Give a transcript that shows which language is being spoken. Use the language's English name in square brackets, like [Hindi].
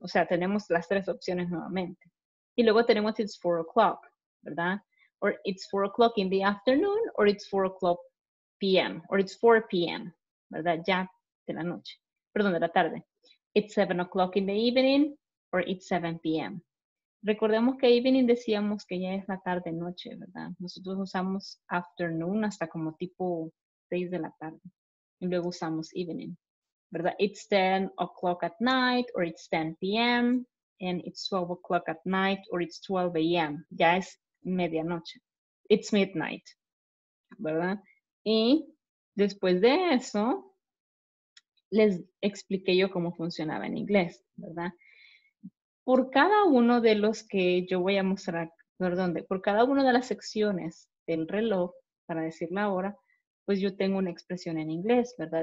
[Spanish] O sea, tenemos las tres opciones nuevamente. Y luego tenemos it's 4 o'clock, ¿verdad? [English] Or it's 4 o'clock in the afternoon or it's 4 o'clock p.m. [Spanish] or it's 4 p.m., ¿verdad? Ya de la noche. Perdón, de la tarde. [English] It's 7 o'clock in the evening or it's 7 p.m. [Spanish] Recordemos que evening decíamos que ya es la tarde-noche, ¿verdad? Nosotros usamos afternoon hasta como tipo 6 de la tarde. Y luego usamos evening, ¿verdad? [English] It's 10 o'clock at night or it's 10 p.m. and it's 12 o'clock at night or it's 12 a.m. [Spanish] Ya es medianoche. It's midnight, ¿verdad? Y después de eso, les expliqué yo cómo funcionaba en inglés, ¿verdad? Por cada uno de los que yo voy a mostrar, perdón, por cada una de las secciones del reloj, para decir la hora, pues yo tengo una expresión en inglés, ¿verdad?